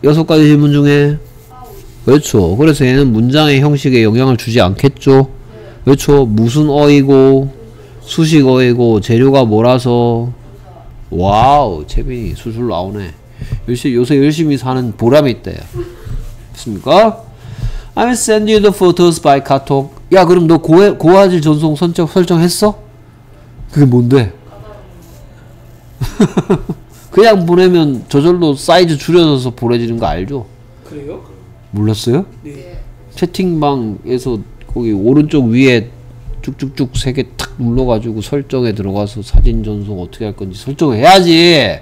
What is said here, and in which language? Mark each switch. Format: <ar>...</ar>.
<ko>여섯 가지 질문 중에. 그렇죠. 그래서 얘는 문장의 형식에 영향을 주지 않겠죠. 그렇죠. 무슨 어이고, 수식어이고, 재료가 뭐라서. 와우, 채빈이 술술 나오네. 요새 열심히 사는 보람이 있대요. 맞습니까?</ko> <en>I will send you the photos by 카톡.</en> <ko>야, 그럼 너 고화질 전송 설정했어? 그게 뭔데? 그냥 보내면 저절로 사이즈 줄여져서 보내지는 거 알죠? 그래요? 몰랐어요? 네. 채팅방에서 거기 오른쪽 위에 쭉쭉쭉 세 개 탁 눌러가지고 설정에 들어가서 사진 전송 어떻게 할 건지 설정을 해야지.</ko>